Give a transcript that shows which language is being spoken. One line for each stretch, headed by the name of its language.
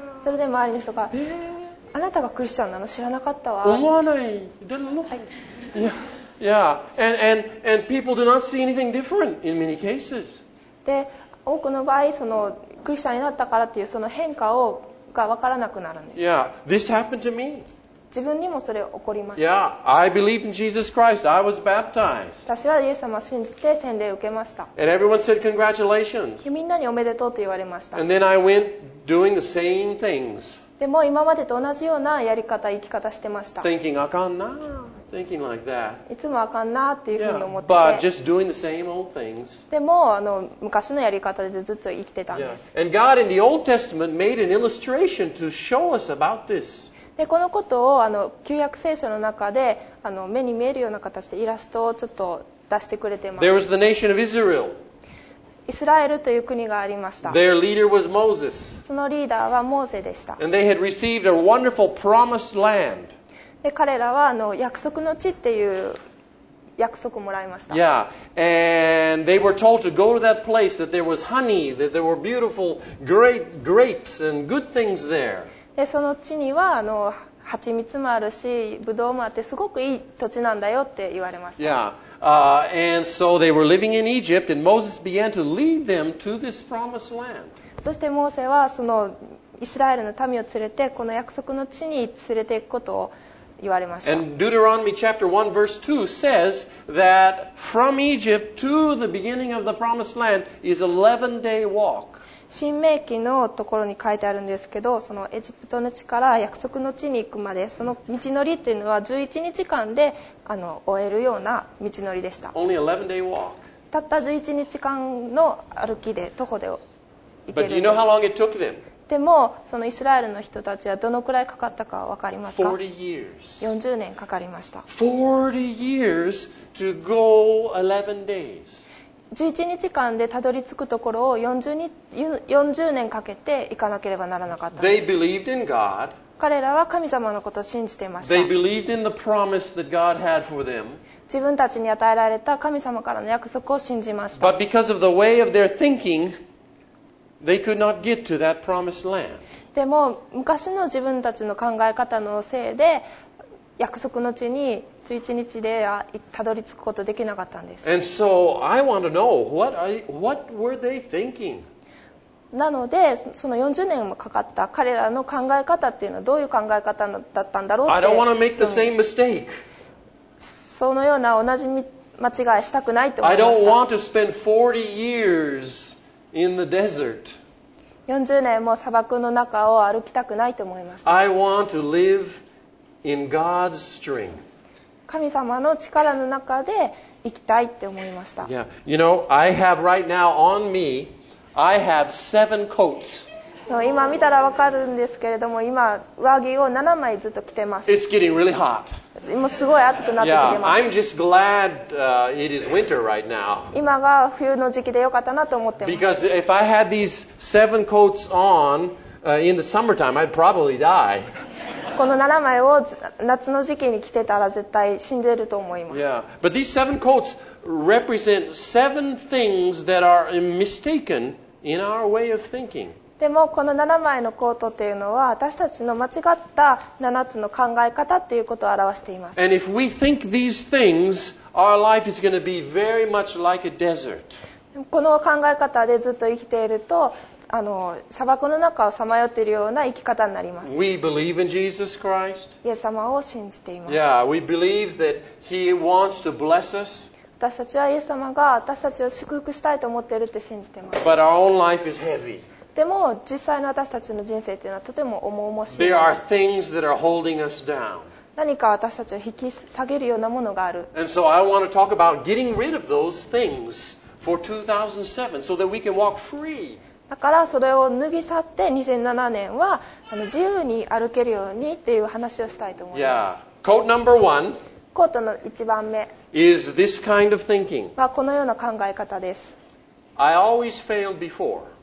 Japanese: それで周りの人が、あなたがクリスチャンなの知らなかったわ。思わない。
English: Didn't look. Yeah, and people do not see anything different in many cases.
Japanese: で多くの場合そのクリスチャンになったからっていうその変化をが分からなくなるんです。
English: Yeah, this happened to me.
Japanese: 自分にもそれ起こりました。
English: Yeah, I believe in Jesus Christ. I was baptized.
Japanese: 私はイエス様を信じて洗礼を受けました。
English: And everyone said congratulations.
Japanese: みんなにおめでとうと言われました。
English: And then I went doing the same things.
Japanese: でも今までと同じようなやり方、生き方してました。
English: Thinking,
Japanese: あかんな、
English: thinking like that.
Japanese: いつもあかんなっていうふうに思ってて。
English: But just doing the same old things.
Japanese: でも昔のやり方でずっと生きてたんです。
English: And God in the Old Testament made an illustration to show us about this.
Japanese: でこのことを旧約聖書の中で目に見えるような形でイラストをちょっと出してくれてます。
English: There was the nation of Israel.
Japanese: イスラエルという国がありました。
English: Their leader was Moses.
Japanese: そのリーダーはモーセでした。
English: And they had received a wonderful promised land.
Japanese: で、彼らは約束の地っていう約束をもらいました。
English: Yeah. And they were told to go to that place, that there was honey, that there were beautiful great grapes and good things there.
Japanese: で、その地には蜂蜜もあるし、ブドウもあって、すごくいい土地なんだよって言われました。
English: Yeah. And so they were living in Egypt, and Moses began to lead them to this promised land.
Japanese: そしてモーセはそのイスラエルの民を連れてこの約束の地に連れて行くことを言われました。
English: And Deuteronomy chapter 1 verse 2 says that from Egypt to the beginning of the promised land is 11 day walk.
Japanese: 新命記のところに書いてあるんですけど、そのエジプトの地から約束の地に行くまで、その道のりというのは11日間で終えるような道のりでした。
English: Only 11 day walk.
Japanese: たった11日間の歩きで、徒歩で行けるんです。
English: But do you know how long it took them?
Japanese: でも、そのイスラエルの人たちはどのくらいかかったかわかりますか
English: ？40 years.
Japanese: 40年かかりました。
English: 40 years to go 11 days.
Japanese: 11日間でたどり着くところを40年かけて行かなければならなかったんです。
English: They believed in God.
Japanese: 彼らは神様のことを信じていました。
English: They believed in the promise that God had for them.
Japanese: 自分たちに与えられた神様からの約束を信じました。
English: But because of the way of their thinking, they could not get to that promised land.
Japanese: でも昔の自分たちの考え方のせいで約束の地に11日でたどり着くことできなかったんです。
English: And so I want to know what were they thinking?
Japanese: なので、その40年もかかった彼らの考え方っていうのはどういう考え方だったんだろうって。
English: I don't want to make the same mistake.
Japanese: そのような同じ間違いしたくないと思いました。
English: I don't want to spend 40 years in the desert.
Japanese: 40年も砂漠の中を歩きたくないと思いました。
English: I want to live in God's strength.
Japanese: 神様の力の中で生きたいって思いました。
English: Yeah. You know, I have right now on me, I have 7 coats.
Japanese: 今見たら分かるんですけれども、今上着を7枚ずっと着てます。
English: It's getting really hot.
Japanese: 今すごい暑くなってきてます。
English: Yeah. I'm just glad, it is winter right now.
Japanese: 今が冬の時期でよかったなと思ってます。
English: Because if I had these 7 coats on, in the summertime, I'd probably die.
Japanese: この7枚を夏の時期に着てたら絶対死んでると思います。
English: Yeah. But these seven coats represent seven things that are mistaken in our way of thinking.
Japanese: でもこの7枚のコートっていうのは私たちの間違った7つの考え方っていうことを表しています。
English: And if we think these things, our life is going to be very much like a desert.
Japanese: この考え方でずっと生きていると砂漠の中をさまよっているような生き方になります。
English: We believe in Jesus Christ.
Japanese: イエス様を信じています。
English: Yeah, we believe that he wants to bless us.
Japanese: 私たちはイエス様が私たちを祝福したいと思っているって信じています。
English: But our own life is heavy.
Japanese: でも実際の私たちの人生というのはとても重々しい。
English: There are things that are holding us down.
Japanese: 何か私たちを引き下げるようなものがある。
English: And so I want to talk about getting rid of those things for 2007 so that we can walk free.
Japanese: だからそれを脱ぎ去って2007年は自由に歩けるようにっていう話をしたいと思います。
English: Yeah. Coat number one.
Japanese: コートの一番目。
English: Is this kind of thinking.
Japanese: はこのような考え方です。
English: I always failed before.